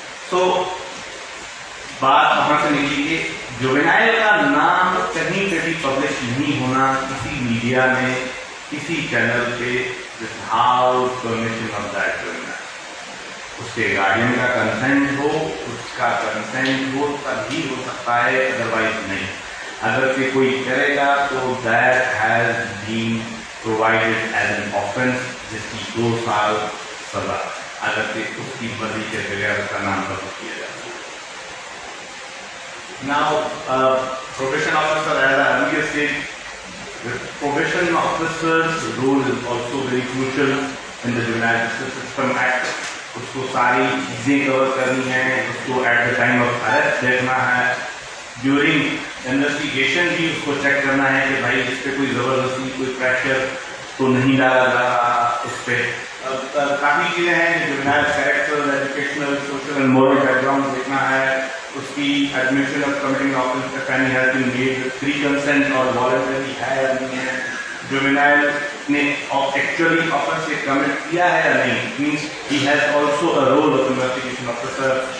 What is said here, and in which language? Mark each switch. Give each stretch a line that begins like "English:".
Hindi: सो बात वहां से निकली कि जुवेनाइल का नाम कहीं कभी पब्लिश नहीं होना किसी मीडिया में किसी चैनल पे
English: without permission of that juvenile,
Hindi: उसके गार्डियन का कंसेंट हो, उसका कंसेंट हो तभी हो सकता है, अदरवाइज नहीं। अगर से कोई करेगा तो
English: that has been provided as an offence
Hindi: जिसकी 2 साल सजा, अगर से उसकी मर्जी के बगैर उसका नाम पब्लिश किया जाता है।
English: Now, probation officer as I earlier said, the probation officer's role is also very crucial in the Juvenile Justice System Act.
Hindi: उसको सारी चीजें कवर करनी है, उसको
English: at the time of arrest
Hindi: देखना है,
English: during investigation
Hindi: भी उसको चेक करना है कि भाई इस पर कोई जबरदस्ती कोई प्रेशर तो नहीं डाला जा रहा उस पर। काफी चीजें हैं, juvenile character, educational,
English: social and moral background
Hindi: देखना है, उसकी एडमिशन ऑफ कमिटिंग ऑफेंस का
English: can have been made pre consent
Hindi: और वॉलंटरी है या नहीं है, जुवेनाइल ने एक्चुअली ऑफेंस से कमिट किया है या नहीं, means
English: he has also a role of investigation officer,